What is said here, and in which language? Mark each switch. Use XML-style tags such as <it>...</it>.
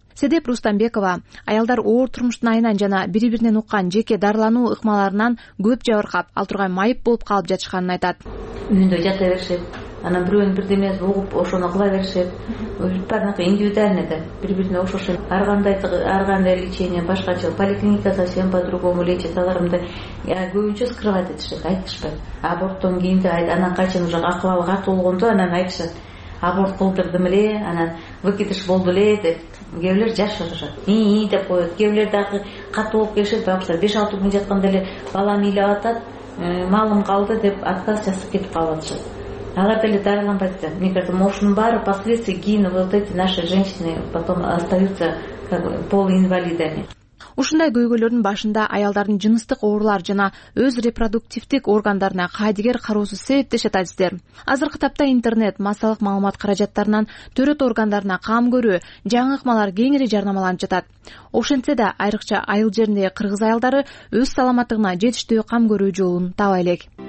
<ky>Седеп Рустамбекова аялдар оор турмуштун айынан жана бири биринен уккан жеке дарылануу ыкмаларынан көп жабыркап, ал тургай майып болуп калып жатышканын айтат. Үйүндө жата беришет, анан бирөөнүн бирдемеси угуп ошону кыла беришет. Баардыгы индивидуальный да, бири бирине окшош. Ар кандай лечение, башкача поликлиника</ky> <ru>совсем по-другому лечит.</ru> <ky>Аларды көбүнчө</ky> <ru>скрывать</ru> <ky>этишет, айтышпайт. Аборттон кийин анан качан уже акыбалы катуу болгондо анан айтышат. Аборт кылдырдым эле, анан выкидыш болду эле деп кээбирлер жашып атышат. Ии деп коет. Кээбирлер дагы катуу болуп келишет, баягы 5-6 күн жатканда эле балам ыйлап атат, малым калды деп отказ жасап кетип калып атышат. Алар деле дарыланбайт да.</ky> <ru>Мне кажется,</ru> <ky>ошунун баары</ky> <ru>последствия</ru> <ky>кийин</ky> <ru>вот эти наши женщины потом остаются как бы полуинвалидами.</ru> <ky>Ушундай көйгөйлөрдүн башында аялдардын жыныстык оорулар жана өз репродуктивдик органдарына кайдыгер кароосу себептешет адистер. Азыркы тапта интернет, массалык маалымат каражаттарынан төрөт органдарына кам көрүү, жаңы ыкмалар кеңири жарнамаланып жатат. Ошентсе да айрыкча айыл жериндеги кыргыз аялдары өз саламаттыгына жетиштүү кам көрүү жолун таба элек.</ky>